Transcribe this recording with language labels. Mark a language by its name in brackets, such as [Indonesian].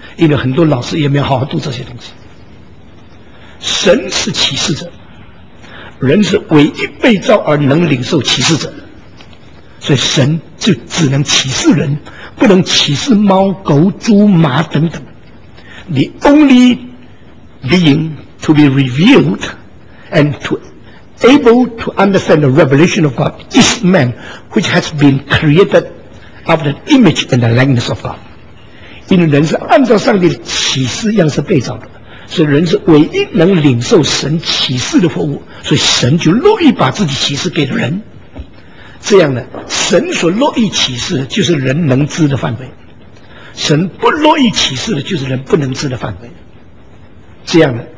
[Chinese] 因为很多老师也没有好好读这些东西。神是启示者，人是唯一被造而能领受启示者，所以神就只能启示人，不能启示猫狗猪马等等。 [English] The only being to be revealed and to able to understand the revelation of God is man, which has been created after the image and the likeness of God。 [Chinese] 因为人是按照上帝的启示样式被造的，所以人是唯一能领受神启示的活物，所以神就乐意把自己启示给人。这样呢，神所乐意启示的就是人能知的范围，神不乐意启示的就是人不能知的范围。这样呢，